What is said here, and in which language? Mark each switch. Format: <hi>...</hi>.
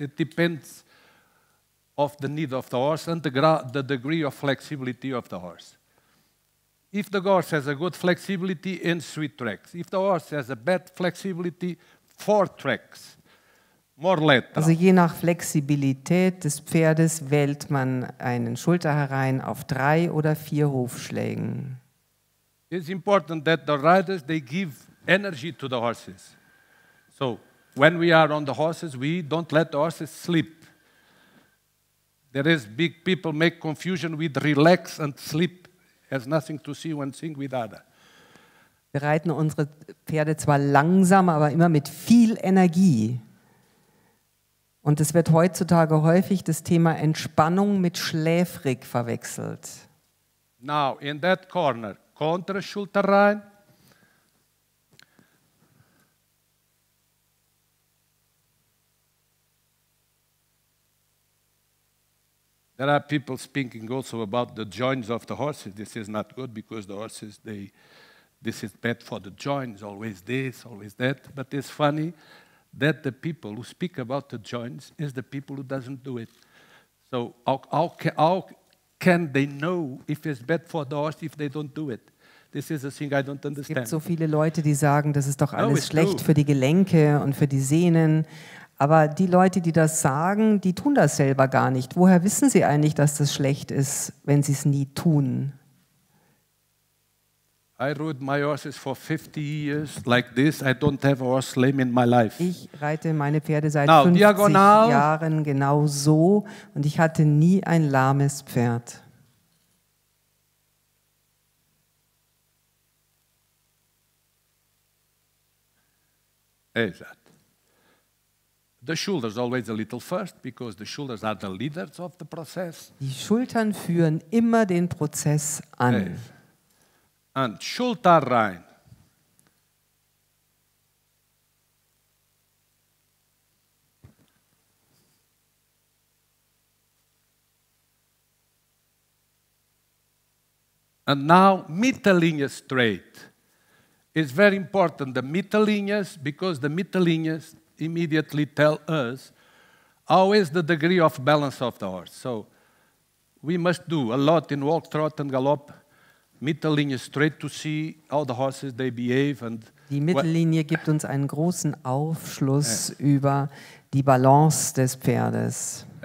<en>It depends of the need of the horse and the degree of flexibility of the horse. If the horse has a good flexibility, in 3 tracks. If the horse has a bad flexibility, 4 tracks.</en> <de>Also je nach Flexibilität des Pferdes wählt man einen Schulter herein auf 3 oder 4 Hufschlägen.</de> <en>It's important that the riders, they give energy to the horses. So when we are on the horses, we don't let the horses sleep. There is big people make confusion with relax and sleep. It has nothing to see one thing with other.</en> <de>Wir reiten unsere Pferde zwar langsam, aber immer mit viel Energie. Und es wird heutzutage häufig das Thema Entspannung mit schläfrig verwechselt.</de> <en>Now, in that corner, contra Schulter rein. There are people speaking also about the joints of the horses. This is not good because the horses, this is bad for the joints, always this, always that. But it's funny that the people who speak about the joints is the people who doesn't do it. So how can they know if it's bad for the horse if they don't do it? This is a thing I don't understand.</en> <de>Es gibt so viele Leute, die sagen, das ist doch alles schlecht für die Gelenke und für die Sehnen. Aber die Leute, die das sagen, die tun das selber gar nicht. Woher wissen sie eigentlich, dass das schlecht ist, wenn sie es nie tun?</de> <en>I rode my horses for 50 years like this. I don't have a horse lame in my life.</en> <de>Ich reite meine Pferde seit 50 Jahren genau so und ich hatte nie ein lahmes Pferd. Exakt.</de> <en>The shoulders always a little first because the shoulders are the leaders of the process.</en> <de>Die Schultern führen immer den Prozess an. Yes.</de> <en>And Schulter rein. And now Mittellinie straight. It's very important the Mittellinie because the Mittellinie immediately tell us how is the degree of balance of the horse. So we must do a lot in walk, trot and galop, Mittellinie straight to see how the horses they behave and</en> <de>die Mittellinie gibt uns einen großen Aufschluss über die Balance des Pferdes.</de>